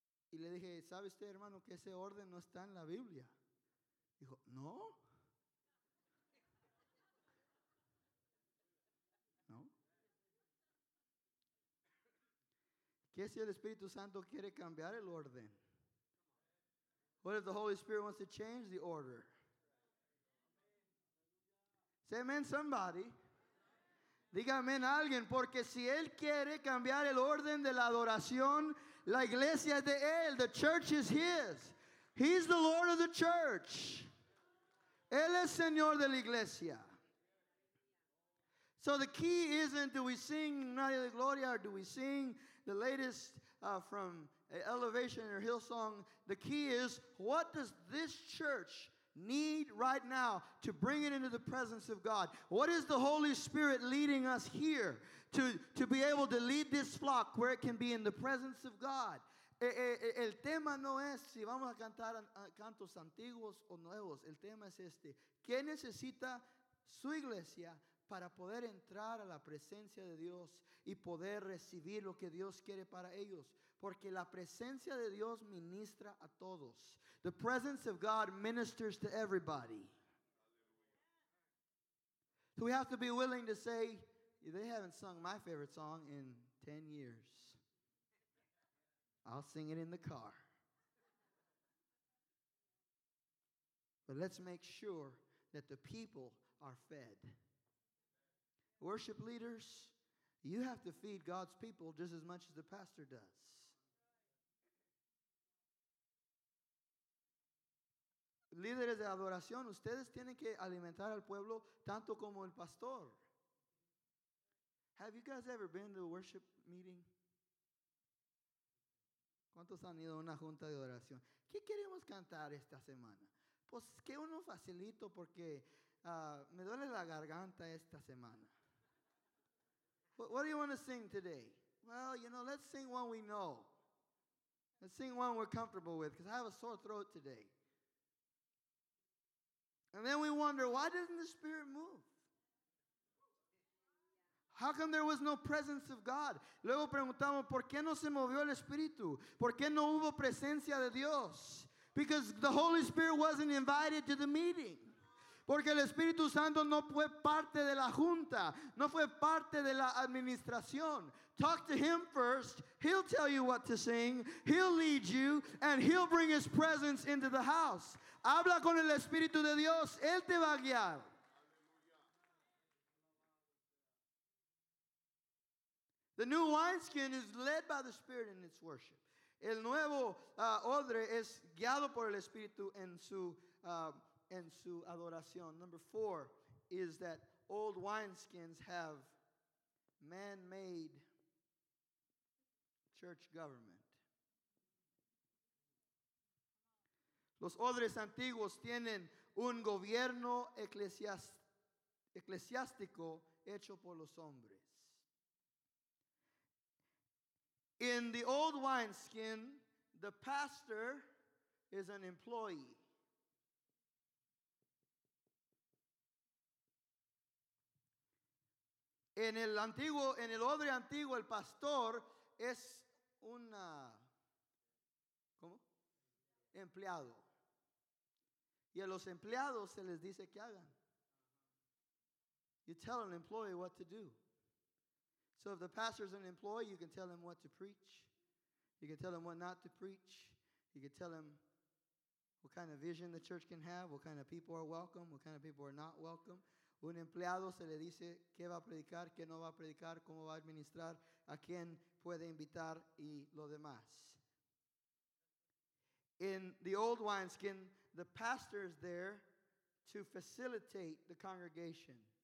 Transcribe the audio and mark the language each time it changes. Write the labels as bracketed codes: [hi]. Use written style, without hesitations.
[es] Y le dije, ¿sabe usted, hermano, que ese orden no está en la Biblia? Dijo, ¿no? ¿No? ¿Qué si el Espíritu Santo quiere cambiar el orden? [en] What if the Holy Spirit wants to change the order? Say amen, somebody. [es] Dígame a alguien, porque si él quiere cambiar el orden de la adoración, la iglesia es de él. [en] The church is his. He's the Lord of the church. [es] Él es Señor de la iglesia. [en] So the key isn't do we sing Night of the Gloria or do we sing the latest from Elevation or Hillsong. The key is what does this church need right now to bring it into the presence of God? What is the Holy Spirit leading us here to be able to lead this flock where it can be in the presence of God? [es] El tema no es si vamos a cantar cantos antiguos o nuevos. El tema es este. ¿Qué necesita su iglesia para poder entrar a la presencia de Dios y poder recibir lo que Dios quiere para ellos? Porque la presencia de Dios ministra a todos. [en] The presence of God ministers to everybody. So we have to be willing to say, they haven't sung my favorite song in 10 years. I'll sing it in the car. But let's make sure that the people are fed. Worship leaders, you have to feed God's people just as much as the pastor does. [es] Líderes de adoración, ustedes tienen que alimentar al pueblo tanto como el pastor. [en] Have you guys ever been to a worship meeting? [es] ¿Cuántos han ido a una junta de oración? ¿Qué queremos cantar esta semana? Pues que uno facilito porque me duele la garganta esta semana. [en] What do you want to sing today? Well, you know, let's sing one we know. Let's sing one we're comfortable with, because I have a sore throat today. And then we wonder, why didn't the Spirit move? How come there was no presence of God? [es] Luego preguntamos, ¿por qué no se movió el Espíritu? ¿Por qué no hubo presencia de Dios? [en] Because the Holy Spirit wasn't invited to the meeting. [es] Porque el Espíritu Santo no fue parte de la junta. No fue parte de la administración. [en] Talk to him first. He'll tell you what to sing. He'll lead you. And he'll bring his presence into the house. [es] Habla con el Espíritu de Dios. Él te va a guiar. [en] The new wineskin is led by the Spirit in its worship. [es] El nuevo odre es guiado por el Espíritu en su adoración. [en] Number four is that old wineskins have man-made church government. [es] Los odres antiguos tienen un gobierno eclesiástico hecho por los hombres. [en] In the old wineskin, the pastor is an employee. [es] En el odre antiguo, el pastor es una, ¿cómo? Empleado. Y a los empleados se les dice que hagan. [en] You tell an employee what to do. So if the pastor is an employee, you can tell him what to preach. You can tell him what not to preach. You can tell him what kind of vision the church can have, what kind of people are welcome, what kind of people are not welcome. [es] Un empleado se le dice qué va a predicar, qué no va a predicar, cómo va a administrar, a quién puede invitar y lo demás. [en] In the old wineskin, the pastor is there to facilitate the congregation.